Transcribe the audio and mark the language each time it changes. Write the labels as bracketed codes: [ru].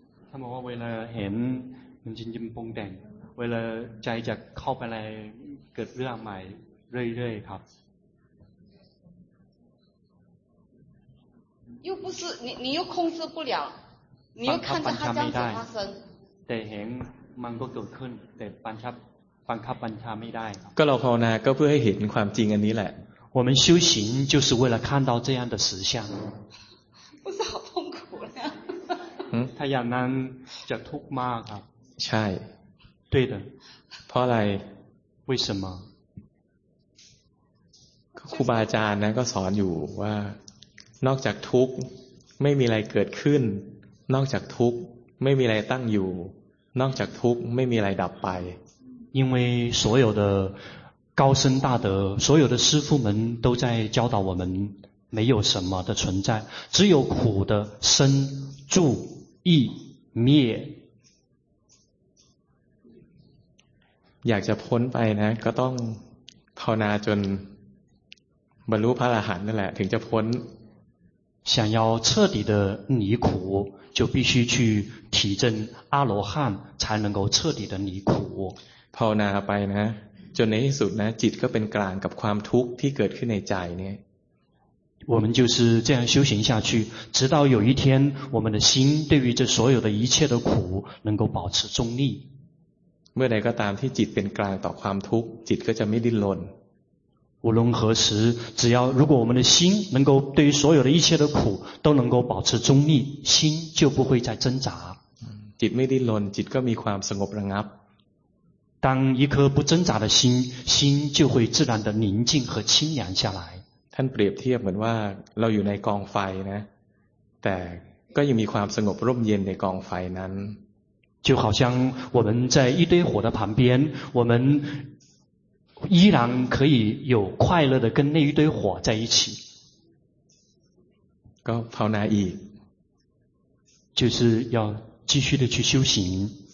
[zh] 他们说为了很人心经崩点为了再一靠回来给热买热一热一靠又不是你又控制不了你又看着他这样子发生 [th] แต่เห็นมันก็เกิดขึ้นแต่บังคับบัญชาไม่ได้ก็เราภาวนาก็เพื่อให้เห็นความจริงอันนี้แหละ [zh] 我们修行就是为了看到这样的实相不是好痛苦了 [th] ถ้าอย่างนั้นจะทุกข์มากครับ ใช่ [zh] 对的 [th] เพราะอะไร [zh] 为什么 [th] ครูบาอาจารย์นั้นก็สอนอยู่ว่านอกจากทุกข์ไม่มีอะไรเกิดขึ้นนอกจากทุกข์ไม่มีอะไรตั้งอยู่นอกจากทุกข์ไม่มีอะไรดับไป [zh] 因为所有的高深大德所有的师父们都在教导我们没有什么的存在只有苦的生住意灭 [th] อยากจะพ้นไปนะก็ต้องภาวนาจนบรรลุพระอรหันต์นั่นแหละถึงจะพ้น [zh] 想要彻底的离苦就必须去体证阿罗汉才能够彻底的离苦 [th] ภาวนาไปนะจนในที่สุดนะจิตก็เป็นกลางกับความทุกข์ที่เกิดขึ้นในใจเนี่ย [zh] 我们就是这样修行下去直到有一天我们的心对于这所有的一切的苦能够保持中立 [th] เมื่อใดก็ตามที่จิตเป็นกลางต่อความทุกข์จิตก็จะไม่ดิ้นรน [zh] 无论何时只要如果我们的心能够对于所有的一切的苦都能够保持中立心就不会再挣扎 [th] จิตไม่ดิ้นรนจิตก็มีความสงบระงับ [zh] 当一颗不挣扎的心心就会自然的宁静和清凉下来 [th] ท่านเปรียบเทียบเหมือนว่าเราอยู่ในกองไฟนะแต่ก็ยังมีความสงบร่มเย็นในกองไฟนั้น [zh] 就好像我们在一堆火的旁边我们依然可以有快乐的跟那一堆火在一起 [th] ก็ภาวนาอีก [zh] 就是要继续的去修行